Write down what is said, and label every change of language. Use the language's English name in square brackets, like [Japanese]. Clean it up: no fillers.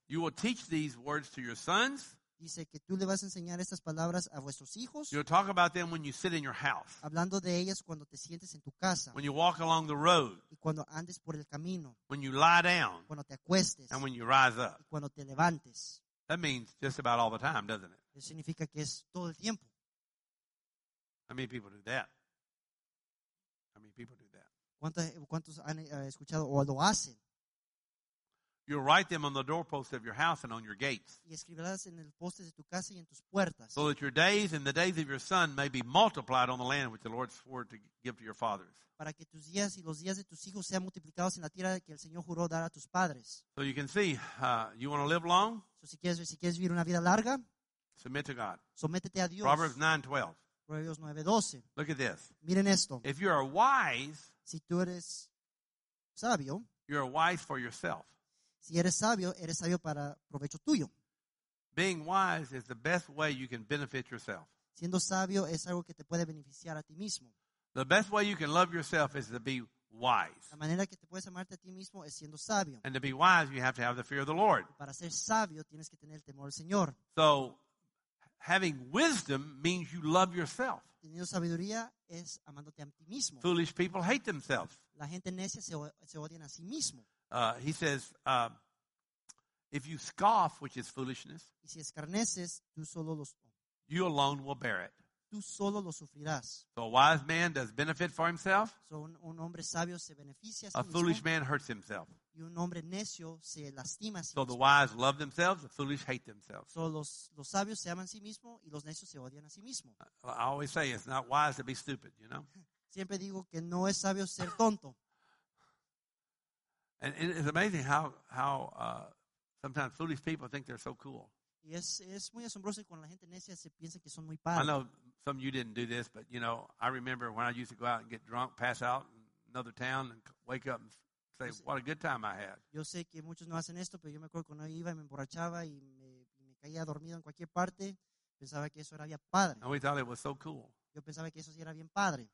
[English] You will teach these words to your sons. [Spanish] Dice que tú le vas a enseñar estas palabras a vuestros hijos. [English] You'll talk about them when you sit in your house. [Spanish] Hablando de ellas cuando te sientes en tu casa. [English] When you walk along the road. [Spanish] Y cuando andes por el camino. [English] When you lie down. [Spanish] Cuando te acuestes. [English] And when you rise up. [Spanish] Y cuando te levantes. [English] That means just about all the time, doesn't it? [Spanish] Eso significa que es todo el tiempo. [English] How many people do that? [Spanish] ¿Cuántos han escuchado o lo hacen? [English] You'll write them on the doorposts of your house and on your gates. [Spanish] Y escribirás en el poste de tu casa y en tus puertas. [English] So that your days and the days of your son may be multiplied on the land which the Lord swore to give to your fathers. [Spanish] Para que tus días y los días de tus hijos sean multiplicados en la tierra que el Señor juró dar a tus padres. [English] So you can see, you want to live long? [Spanish] So si quieres vivir una vida larga? [English] Submit to God. [Spanish] Sométete a Dios. [English] Proverbs 9:12. [Spanish] Proverbios 9:12. [English] Look at this. [Spanish] Miren esto. [English] If you are wise, [Spanish] si tú eres sabio, [English] you are wise for yourself. [Spanish] Si eres sabio, eres sabio para provecho tuyo. [English] Being wise is the best way you can benefit yourself. [Spanish] Siendo sabio es algo que te puede beneficiar a ti mismo. [English] The best way you can love yourself is to be wise. [Spanish] La manera que te puedes amarte a ti mismo es siendo sabio. [English] And to be wise, you have to have the fear of the Lord. [Spanish] Para ser sabio, tienes que tener el temor al Señor. [English] So, having wisdom means you love yourself. [Spanish] Teniendo sabiduría es amándote a ti mismo. [English] Foolish people hate themselves. [Spanish] La gente necia se odian a sí mismo. [English] He says, if you scoff, which is foolishness, [Spanish] y si escarneces, tú solo los... [English] you alone will bear it. [Spanish] Tú solo lo sufrirás. [English] So a wise man does benefit for himself. [Spanish] So un hombre sabio se beneficia [English] a foolish man hurts himself. [Spanish] Y un hombre necio se lastima a sí mismo. [English] So the wise love themselves, the foolish hate themselves. [Spanish] So los sabios se aman a sí mismo y los necios se odian a sí mismo. [English] I always say it's not wise to be stupid, you know? [Spanish] Siempre digo que no es sabio ser tonto. [English] And it's amazing how sometimes foolish people think they're so cool. [Spanish] Es muy asombroso cuando la gente necia se piensa que son muy padres. [English] I know some of you didn't do this, but you know, I remember when I used to go out and get drunk, pass out in another town, and wake up and say, what a good time I had. [Spanish] Yo sé que muchos no hacen esto, pero yo me acuerdo cuando iba y me emborrachaba y me caía dormido en cualquier parte, pensaba que eso era bien padre. [English] And we thought it was so cool. [Spanish] Yo pensaba que eso sí era bien padre.